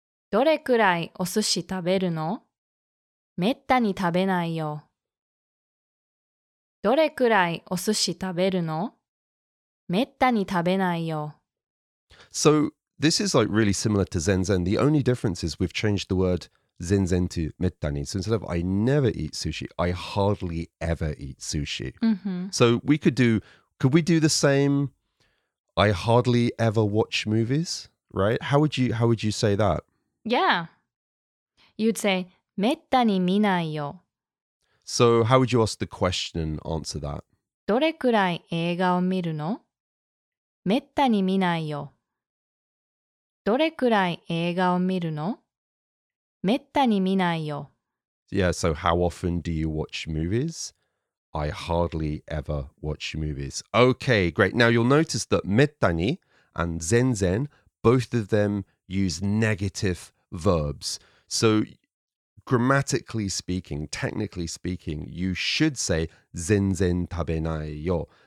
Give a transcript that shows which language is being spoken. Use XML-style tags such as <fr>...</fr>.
<ja>どれくらいお寿司食べるの?めったに食べないよ. どれくらいお寿司食べるの? めったに食べないよ.</ja> <en>So,This is like really similar to zenzen. The only difference is we've changed the word zenzen to mettani. So instead of I never eat sushi, I hardly ever eat sushi. So we could we do the same, I hardly ever watch movies, right? How would you say that? Yeah. You'd say</en> <ja>mettani minai yo.</ja> <en>So how would you ask the question and answer that?</en> <ja>どれくらい映画を見るの?めったに見ないよ。どれくらい映画を見るの? めったに見ないよ。</ja> <en>Yeah, so how often do you watch movies? I hardly ever watch movies. Okay, great. Now you'll notice that めったに and 全然, both of them use negative verbs. So grammatically speaking, technically speaking, you should say</en> <ja>全然食べないよ。</ja>